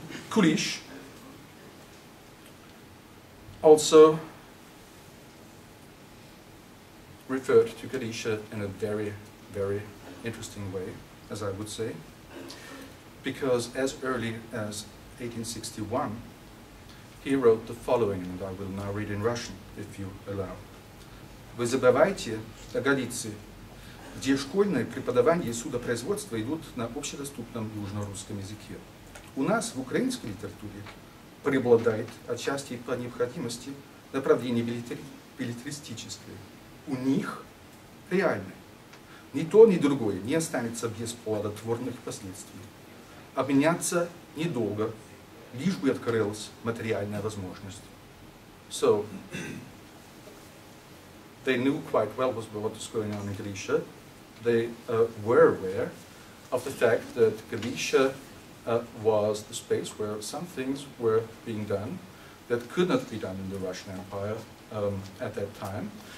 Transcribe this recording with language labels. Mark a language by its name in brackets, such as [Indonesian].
[English] Kulish also referred to Galicia in a very, very interesting way, as I would say, because as early as 1861, he wrote the following, and I will now read in Russian, if you allow. [Russian] Вы забывайте о Галиции, где школьное преподавание и судопроизводство идут на общедоступном южно-русском языке. У нас в украинской литературе преобладает отчасти по необходимости направление билетаристическое. У них реальное. Ни то, ни другое не останется без плодотворных последствий. Обменяться недолго, лишь бы открылась материальная возможность. [English] So, they knew quite well what was going on in Galicia. They were aware of the fact that Galicia was the space where some things were being done that could not be done in the Russian Empire at that time.